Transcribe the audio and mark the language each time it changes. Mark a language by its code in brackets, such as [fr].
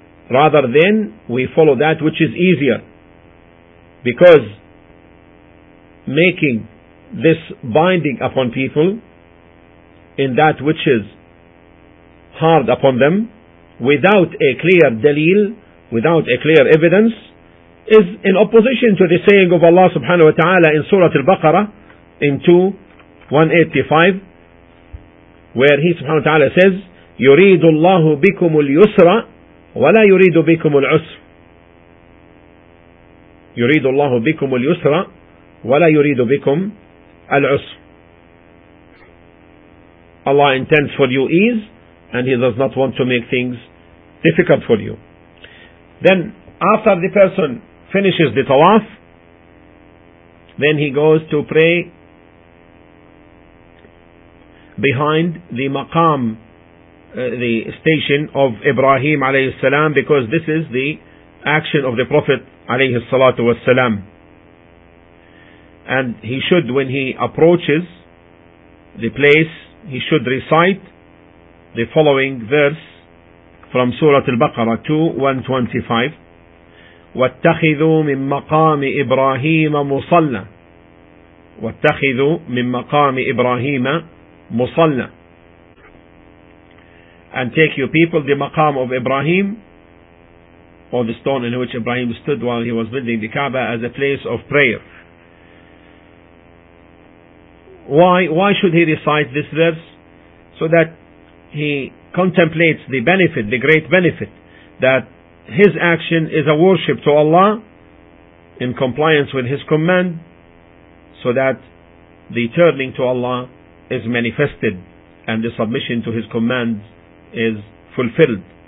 [en] Rather then we follow that which is easier, because making this binding upon people in that which is hard upon them, without a clear dalil, without a clear evidence, is in opposition to the saying of Allah subhanahu wa ta'ala in Surah Al-Baqarah, into 185, where he subhanahu wa ta'ala says, [ar] يُرِيدُ اللَّهُ بِكُمُ الْيُسْرَ وَلَا يُرِيدُ بِكُمُ الْعُسْرَ. يُرِيدُ اللَّهُ بِكُمُ الْيُسْرَ وَلَا يُرِيدُ بِكُمْ الْعُسْرَ. [en] Allah intends for you ease, and He does not want to make things difficult for you. Then, after the person finishes the tawaf, then he goes to pray behind the maqam, the station of Ibrahim alayhi salam, because this is the action of the Prophet alayhi salatu wasalam. And he should, when he approaches the place, he should recite the following verse from Surah Al-Baqarah 2:125. [ar] وَاتَّخِذُوا مِن مَقَامِ إِبْرَاهِيمَ مُصَلَّى. واتخذوا من مقام إبراهيم مصلى. [en] And take your people the maqam of Ibrahim, or the stone in which Ibrahim stood while he was building the Kaaba, as a place of prayer. Why should he recite this verse? So that he contemplates the benefit, the great benefit, that his action is a worship to Allah in compliance with His command, so that the turning to Allah is manifested and the submission to His commands is fulfilled.